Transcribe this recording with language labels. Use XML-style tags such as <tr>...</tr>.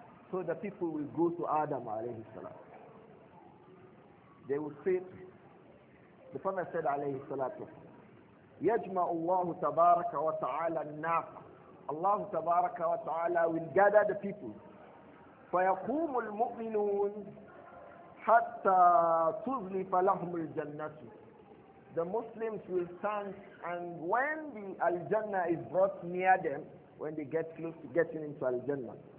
<en>So the people will go to Adam alayhi salam. They will say, the Prophet said alayhi salatu, يجمع الله تبارك وتعالى الناقة. الله تبارك وتعالى will gather the people.</en> <ar>فيقوم المؤمنون حتى تزلف لهم الجنة.</ar> <en>The Muslims will stand, and when the Al-Jannah is brought near them, when they get close to getting into Al-Jannah,</en>